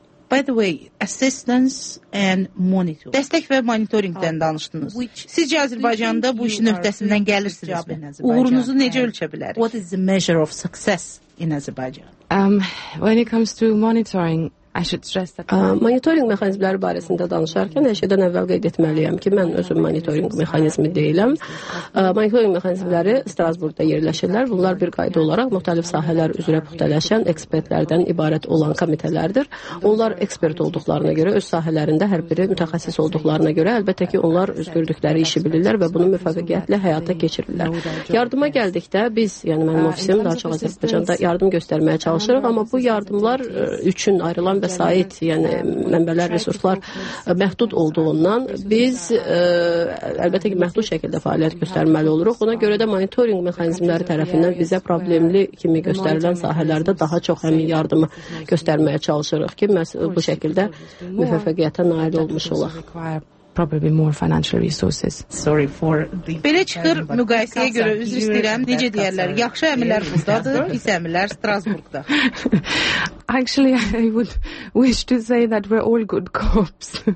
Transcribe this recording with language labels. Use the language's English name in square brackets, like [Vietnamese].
[English] By the way, assistance and monitoring. [Azerbaijani] Dəstək və monitorinqdən danışdınız. Sizcə Azərbaycanda bu işin öhdəsindən gəlirsiniz mi? Uğurunuzu necə ölçə bilərik? [English] What is the measure of success in Azerbaijan? When it comes to monitoring, I should stress that [Azerbaijani] monitoring mexanizmləri barəsində danışarkən hər şeydən əvvəl qeyd etməliyəm ki, mən özüm monitoring mexanizmi deyiləm. Monitoring mexanizmləri Strasburqda yerləşirlər. Bunlar bir qayda olaraq müxtəlif sahələr üzrə müxtələşən ekspertlərdən ibarət olan komitələrdir. Onlar ekspert olduqlarına görə, öz sahələrində hər biri mütəxəssis olduqlarına görə, əlbəttə ki, onlar öz gördükləri işi bilirlər və bunu müvəffəqiyyətlə həyata keçirirlər. Yardıma gəldikdə biz, yəni mənim ofisim daha çox Azərbaycanda yardım göstərməyə çalışırıq, amma bu yardımlar üçün ayrılan vəsait, yəni mənbələr, resurslar məhdud olduğundan biz əlbəttə ki, məhdud şəkildə fəaliyyət göstərməli oluruq. Ona görə də monitoring mexanizmləri tərəfindən bizə problemli kimi göstərilən sahələrdə daha çox həmin yardımı göstərməyə çalışırıq ki, məhz bu şəkildə müvəffəqiyyətə nail olmuş olaq. [English] probably more financial resources. Sorry for the. [Azerbaijani] Belə çıxır müqayisəyə görə üzr istəyirəm. Necə deyirlər? Yaxşı əmirlər burdadır, pis əmirlər Strasburgda. [English] Actually, I would wish to say that we're all good cops.